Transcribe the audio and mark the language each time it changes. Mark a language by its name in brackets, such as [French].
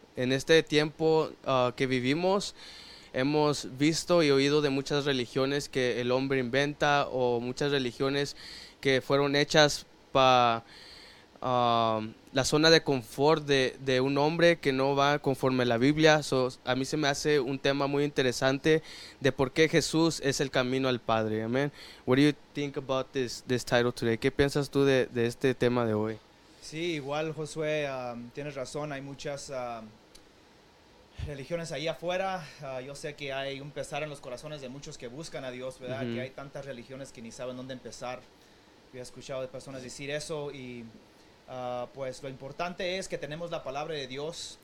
[Spanish] En este tiempo que vivimos, hemos visto y oído de muchas religiones que el hombre inventa o muchas religiones que fueron hechas para la zona de confort de un hombre que no va conforme a la Biblia. So, a mí se me hace un tema muy interesante de por qué Jesús es el camino al Padre. [English] Amen. What do you think about this title today? [Spanish] ¿Qué piensas tú de este tema de hoy? Sí, igual, Josué, tienes razón. Hay muchas religiones ahí afuera. Yo sé que hay un pesar en los corazones de muchos que buscan a Dios, ¿verdad? Mm-hmm. Que hay tantas religiones que ni saben dónde empezar. Yo he escuchado de personas decir eso y pues lo importante es que tenemos la palabra de Dios.